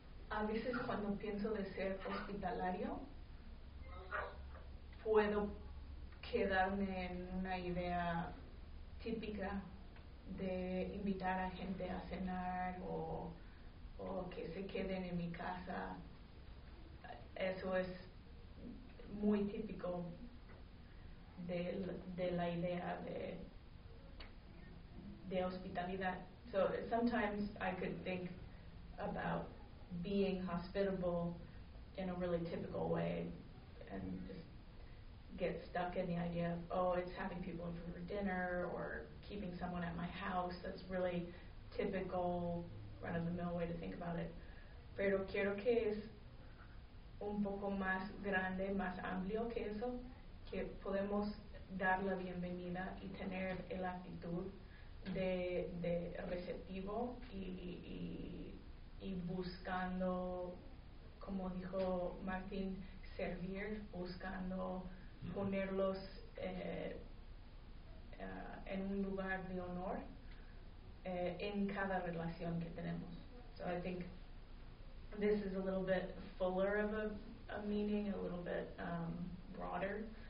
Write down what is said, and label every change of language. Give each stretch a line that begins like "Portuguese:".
Spanish: A veces cuando pienso de ser hospitalario, puedo quedarme en una idea típica de invitar a gente a cenar o que se queden en mi casa. Eso es muy típico de la idea de hospitalidad.
English: So sometimes I could think about being hospitable in a really typical way and just get stuck in the idea of, oh, it's having people over for dinner or keeping someone at my house. That's really typical run-of-the-mill way to think about it.
Spanish: Pero quiero que es un poco más grande, más amplio que eso, que podemos dar la bienvenida y tener la actitud de receptivo y buscando, como dijo Martín, servir, buscando ponerlos en un lugar de honor en cada relación que tenemos.
English: So I think this is a little bit fuller of a meaning, a little bit broader.